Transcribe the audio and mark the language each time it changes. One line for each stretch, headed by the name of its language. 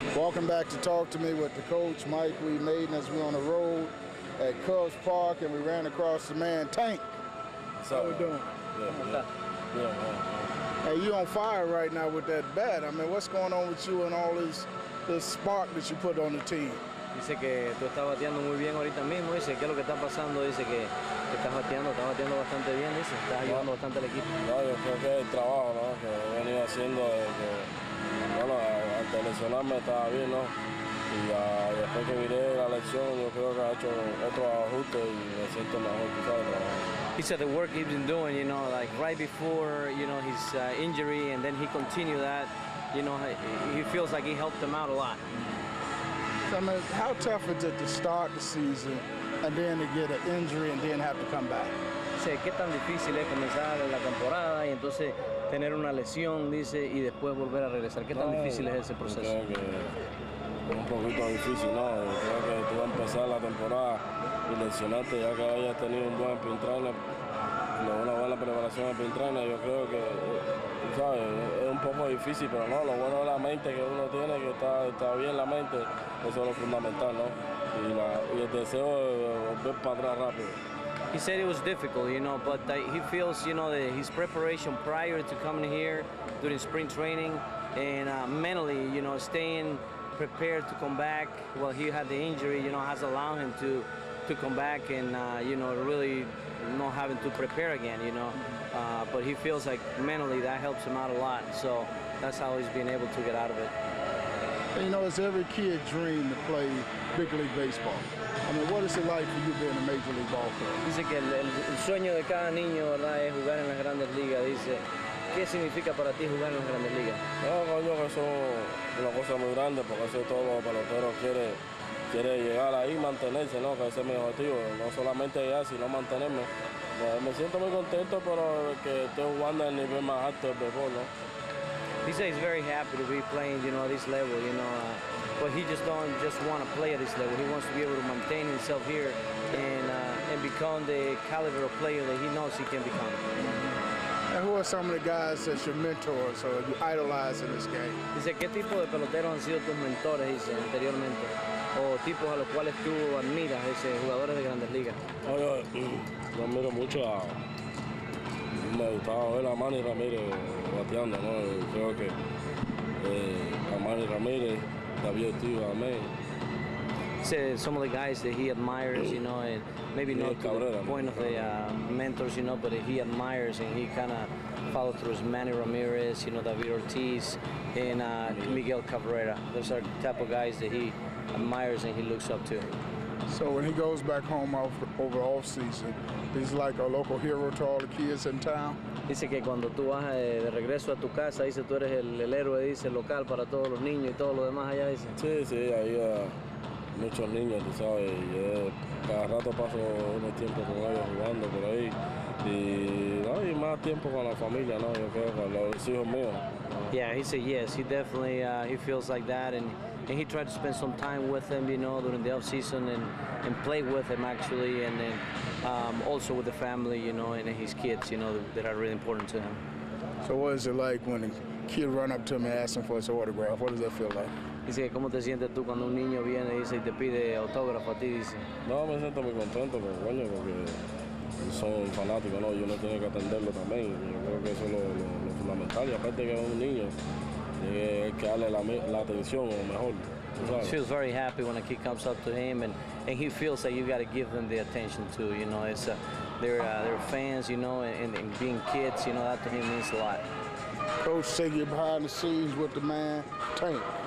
English: walking back to talk to me with the coach, Mike Wee Mayden, as we're on the road at Cubs Park, and we ran across the man, Tank. What's up? How we doing? Good, man. Hey, you on fire right now with that bat. I mean, what's going on with you and all this spark that you put on the team?
Spanish: Dice que tú estás bateando muy bien ahorita mismo. Dice, ¿qué es lo que está pasando? Dice que estás bateando bastante bien. Dice, estás ayudando bastante al equipo. No, yo creo que es el trabajo, ¿no? Que he venido haciendo desde, bueno, hasta lesionarme estaba bien, ¿no? Y después que miré la lesión, yo creo que ha hecho otro ajuste y me siento mejor, ¿sabes?
English: He said the work he's been doing, you know, like right before, you know, his injury, and then he continued that, you know, he feels like he helped him out a lot. I mean, how tough is it to start the season and then to get an injury and then have to come back?
Spanish: Dice, ¿qué tan difícil es comenzar la temporada y entonces tener una lesión, dice, y después volver a regresar? ¿Qué tan difícil es ese proceso? Creo que es un poquito difícil, ¿no? Creo que tú vas a empezar la temporada y lesionarte, ya que hayas tenido un buen sprint trainer, una buena preparación de sprint trainer, yo creo que, tú sabes, es un poco difícil, pero no, lo bueno es la mente que uno tiene, que está bien la mente. Eso es lo fundamental, ¿no? Y el deseo de volver para atrás rápido.
English: He said it was difficult, you know, but he feels, you know, that his preparation prior to coming here during spring training and mentally, you know, staying prepared to come back while he had the injury, you know, has allowed him to come back and, you know, really not having to prepare again, you know. But he feels like mentally that helps him out a lot. So that's how he's been able to get out of it. You know, it's every kid's dream to play big league baseball. I mean, what is it like for you being a major league ball player?
Spanish: Dice que el sueño de cada niño, ¿verdad?, es jugar en las grandes ligas. Dice, ¿qué significa para ti jugar en las grandes ligas? No, coño, que eso es una cosa muy grande, porque eso es todo lo que los peloteros quiere llegar ahí, mantenerse, ¿no? Que ese es mi objetivo, no solamente llegar, sino mantenerme. Pues me siento muy contento, pero que estoy jugando en el nivel más alto del béisbol, ¿no?
English: He said he's very happy to be playing, you know, at this level, you know. But he just don't just want to play at this level. He wants to be able to maintain himself here and become the caliber of player that he knows he can become. And who are some of the guys that your mentors or you idolize in this game? He said,
Spanish: ¿qué tipo de peloteros han sido tus mentores, dice, anteriormente? O tipos a los cuales tú admiras, dice, jugadores de grandes ligas. Oye, yo admiro mucho a... Me gustaba ver a Manny Ramírez bateando, ¿no? Y creo que a Manny Ramírez, David Tío, a mí.
English: Some of the guys that he admires, you know, and maybe not Cabrera, to the point of the mentors, you know, but he admires and he kind of followed through his Manny Ramírez, you know, David Ortiz, and Miguel Cabrera. Those are the type of guys that he admires and he looks up to. So when he goes back home over off season, he's like a local hero to all the kids in town.
Spanish: Dice que cuando tú vas de regreso a tu casa, dice tú eres el héroe, dice local para todos los niños y todos los demás allá, dice. Sí, sí, ahí muchos niños, tú sabes, y cada rato paso unos tiempos con ellos jugando por ahí. Y más tiempo con la familia, ¿no? Yo creo que los hijos míos.
English: Yeah, he said yes, he definitely he feels like that and he tried to spend some time with him, you know, during the off season and play with him actually and then also with the family, you know, and his kids, you know, that are really important to him. So what is it like when a kid run up to him and ask him for his autograph? What does that feel like?
Spanish: Dice, ¿cómo te sientes tú cuando un niño viene y dice y te pide autógrafo a ti? Dice. No, me siento muy contento, pero bueno, porque son fanáticos, ¿no? Yo no tengo que atenderlo también. Yo creo que eso es lo fundamental. Y aparte que es un niño, es que darle la atención o mejor.
English: He feels very happy when a kid comes up to him and he feels that you got to give them the attention too, you know, it's they're fans, you know, and being kids, you know, that to him means a lot. Coach, take you behind the scenes with the man, Tank.